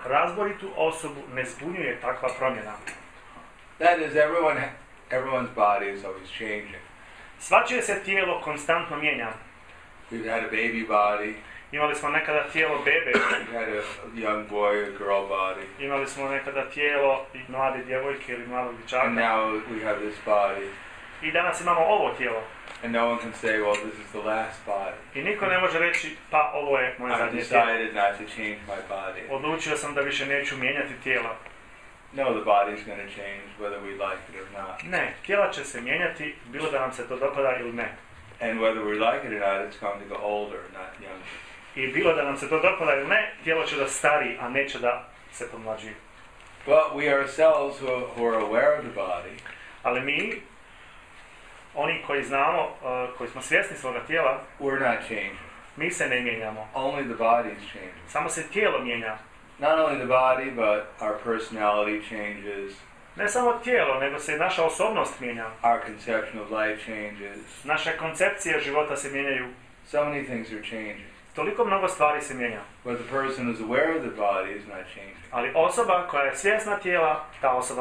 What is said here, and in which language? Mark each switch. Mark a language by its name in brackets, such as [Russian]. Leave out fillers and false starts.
[Bosnian] Razboritu osobu ne zbunjuje takva promjena. [English] That is, everyone's body is always changing. [Bosnian] Svačije se tijelo konstantno mijenja. [English] We've had a baby body. [Bosnian] Imali smo nekada tijelo bebe. [English] We had a young boy or girl body. [Bosnian] Imali smo nekada tijelo i mlade djevojke ili mladog dječaka. [English] And now we have this body. [Bosnian] I danas imamo ovo tijelo. [English] And no one can say, well, this is the last body. [Bosnian] I niko ne može reći, pa ovo je moje zadnje tijelo. [English] I've decided not to change my body. [Bosnian] Odlučio sam da više neću mijenjati tijela. [English] No, the body is going to change whether we like it or not. [Bosnian] Ne, tijela će se mijenjati bilo da nam se to dopada ili ne. [English] And whether we like it or not, it's going to go older, not younger. [Bosnian] I bilo da nam se to dopada ili ne, tijelo će da stari, a neće da se pomlađi. [English] But we ourselves who are aware of the body. [Bosnian] Ali mi, oni koji znamo, koji smo svjesni svoga tijela, [English] we're not changing. [Bosnian] Mi se ne mijenjamo. [English] Only the body is changing. [Bosnian] Samo se tijelo mijenja. [English] Not only the body, but our personality changes. [Bosnian] Ne samo tijelo, nego se naša osobnost mijenja. [English] Our conception of life changes. [Bosnian] Naša koncepcija života se mijenjaju. [English] So many things are changing. [Bosnian] Toliko mnogo stvari se mijenja. [English] But the person who is aware of the body is not changing. [Bosnian] Ali osoba koja je svjesna tijela, ta osoba